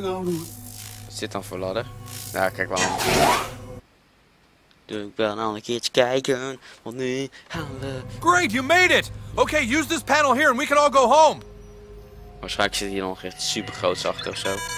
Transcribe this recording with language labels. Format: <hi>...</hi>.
<nl>Wat is dit dan voor ladder? Ja, kijk wel. Doe ik wel een ander keertje kijken, want nu gaan we...</nl> <en>Great, you made it! Okay, use this panel here and we can all go home!</en> <nl>Waarschijnlijk zit hier nog echt super groot achter ofzo.</nl>